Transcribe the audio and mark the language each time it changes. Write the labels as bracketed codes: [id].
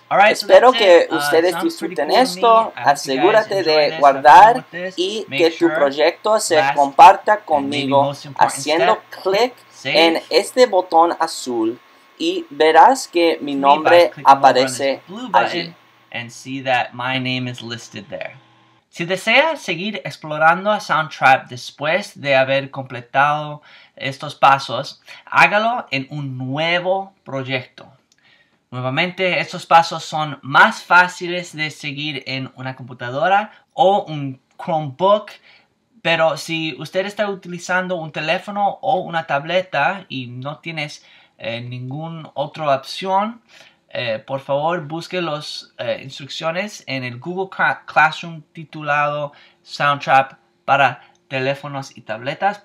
[es] Espero que ustedes disfruten esto, asegúrate de guardar y que tu proyecto se comparta conmigo haciendo clic en este botón azul y verás que mi nombre aparece allí. [en] And see that my name is listed there. [es] Si desea seguir explorando a Soundtrap después de haber completado estos pasos, hágalo en un nuevo proyecto. Nuevamente, estos pasos son más fáciles de seguir en una computadora o un Chromebook, pero si usted está utilizando un teléfono o una tableta y no tienes ninguna otra opción, por favor busque las instrucciones en el Google Classroom titulado Soundtrap para teléfonos y tabletas.